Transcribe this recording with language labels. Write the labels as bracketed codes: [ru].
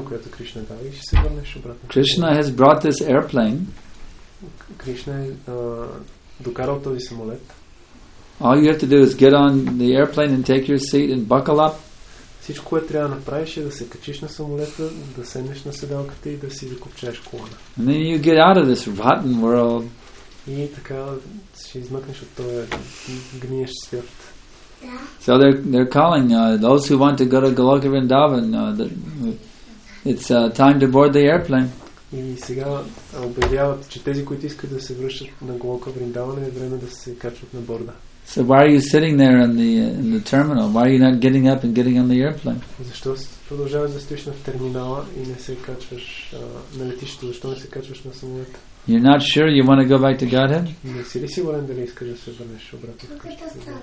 [en] Krishna has brought this airplane. [bg] Krishna докарал този самолет. [en] All you have to do is get on the airplane and take your seat and buckle up. [bg] Всичко, което трябва да направиш, е да се качиш на самолета, да седнеш на седалката и да си закупчеш колана. [en] And then you get out of this rotten world. [bg] И така ще измъкнеш от този гниеш свят. [en] So they're calling those who want to go to Goloka Vrindavan, it's time to board the airplane. [bg] И сега обявяват, че тези, които искат да се връщат на Голока Вриндавана, е време да се качват на борда. [en] So why are you sitting there in the terminal? Why are you not getting up and getting on the airplane? [bg] Защо продължаваш да стоиш на терминала и не се качваш на летището? Защо не се качваш на самолета? [en] You're not sure you want to go back to Godhead? [bg] Не си ли сигурен дали искаш да се върнеш обратно в Кришна?